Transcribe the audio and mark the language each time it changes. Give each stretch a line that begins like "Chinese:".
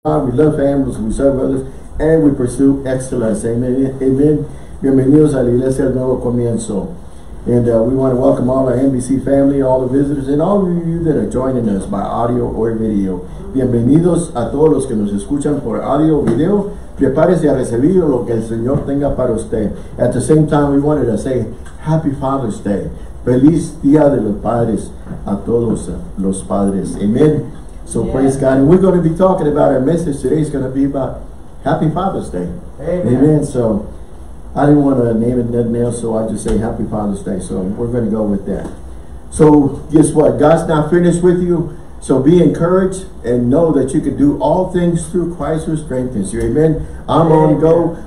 English: We love families, we serve others, and we pursue excellence. Amen. Amen.
Spanish: Bienvenidos a la Iglesia del Nuevo Comienzo.
English: And we want to welcome all our NBC family, all the visitors, and all of you that are joining us by audio or video.
Spanish: Bienvenidos a todos los que nos escuchan por audio o video. Prepárese a recibir lo que el Señor tenga para usted.
English: At the same time, we wanted to say, Happy Father's Day.
Spanish: Feliz Día de los Padres a todos los padres.
English: Amen. So yeah. Praise God. And we're going to be talking about our message today. It's going to be about Happy Father's Day. Amen. Amen. So I didn't want to name it nothing else, so I just say Happy Father's Day. So we're going to go with that. So guess what? God's not finished with you. So be encouraged and know that you can do all things through Christ who strengthens you. Amen. I'm on go.